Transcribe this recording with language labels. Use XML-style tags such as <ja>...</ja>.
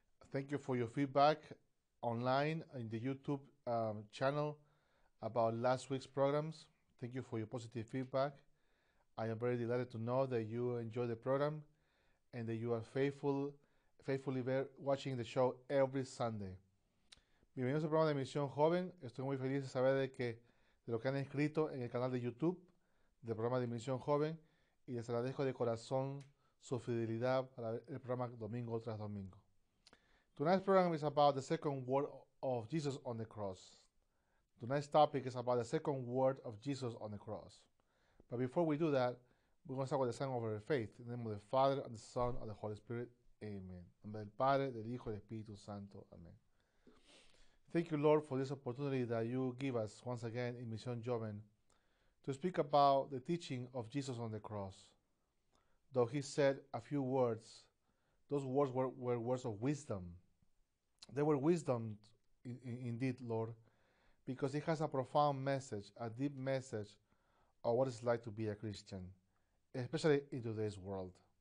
<en>Thank you for your feedback online in the YouTube channel about last week's programs. Thank you for your positive feedback. I am very delighted to know that you enjoy the program and that you are faithfully watching the show every Sunday.</en> <es>Bienvenidos al programa de Mission Joven. Estoy muy feliz de saber de lo que han escrito en el canal de YouTube del programa de Mission Joven. Y les agradezco de corazón su fidelidad para el programa domingo tras domingo.</es> <en>Tonight's program is about the second word of Jesus on the cross. Tonight's topic is about the second word of Jesus on the cross. But before we do that, we're going to start with the sign of our faith. In the name of the Father, and the Son, and the Holy Spirit. Amen.</en> <es>En nombre del Padre, del Hijo, y del Espíritu Santo. Amen.</es> <en>Thank you, Lord, for this opportunity that you give us once again in Mission Joven to speak about the teaching of Jesus on the cross. Though he said a few words, those words were words of wisdom. They were wisdom indeed, Lord, because it has a profound message, a deep message of what it's like to be a Christian, especially in today's world.</en>